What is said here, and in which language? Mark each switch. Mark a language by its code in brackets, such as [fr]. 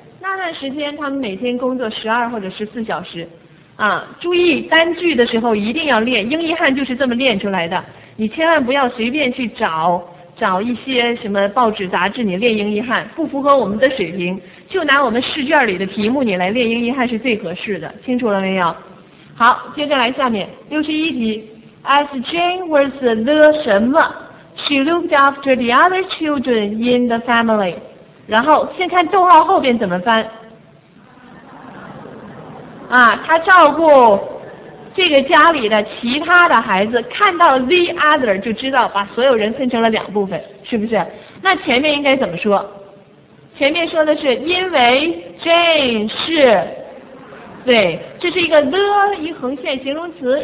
[zh] 那段时间他们每天工作12或者14小时啊。注意单句的时候一定要练，英译汉就是这么练出来的。你千万不要随便去找一些什么报纸杂志你练英译汉，不符合我们的水平。就拿我们试卷里的题目你来练英译汉是最合适的，清楚了没有？好，接着来下面61题 [en] As Jane was the [zh] 什么 [en] She looked after the other children in the family。 [zh] 然后先看逗号后边怎么翻啊，她照顾这个家里的其他的孩子，看到 [en] the other [zh] 就知道把所有人分成了两部分，是不是？那前面应该怎么说？前面说的是因为 Jane 是，对，这是一个 the 一横线形容词。